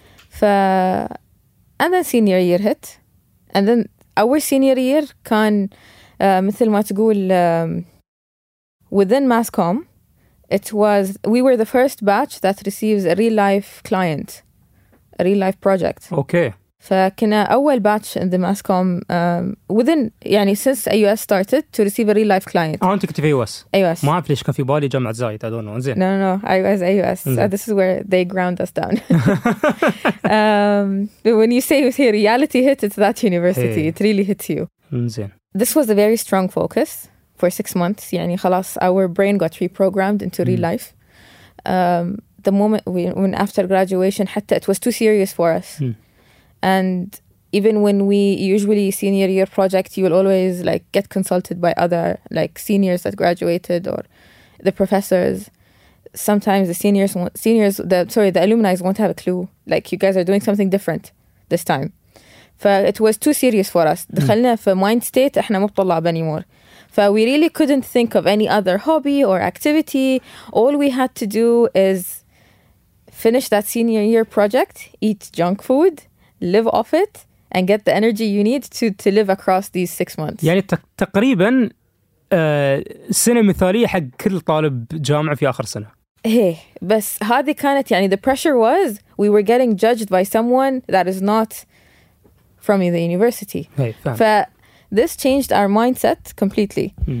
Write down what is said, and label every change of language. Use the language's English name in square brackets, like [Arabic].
[English] ف and then senior year hit. And then our senior year [Arabic] كان مثل ما تقول [English] within mass comm. It was, we were the first batch that receives a real-life client, a real-life project. Okay. [Arabic] فكنا أول [English] batch in the mass comm within, يعني since AUS started to receive a real-life client. [Arabic] أه أنت كنت في AUS. [English] AUS. [Arabic] ما أعرف ليش كان في بالي جامعة زايد, [English] I don't know. No, no, no, I was AUS. So this is where they ground us down. but when you say with here, reality hit, it's that university. Hey. It really hits you. [Arabic] زين. [English] This was a very strong focus. For 6 months, [Arabic] يعني خلاص [English] our brain got reprogrammed into real life. The moment we, when after graduation, حتى it was too serious for us. And even when we usually senior year project, you will always like get consulted by other like seniors that graduated or the professors. Sometimes the seniors won't, the alumni won't have a clue. Like you guys are doing something different this time. It was too serious for us. [Arabic] دخلنا في mind state, إحنا مو طلاب anymore. [English] We really couldn't think of any other hobby or activity. All we had to do is finish that senior year project, eat junk food, live off it, and get the energy you need to live across these 6 months. [Arabic] يعني تقريبا سنة مثالية حق كل طالب جامعة في آخر سنة. [English] Hey, [Arabic] بس هذه كانت يعني [English] the pressure was we were getting judged by someone that is not from the university. Hey, This changed our mindset completely.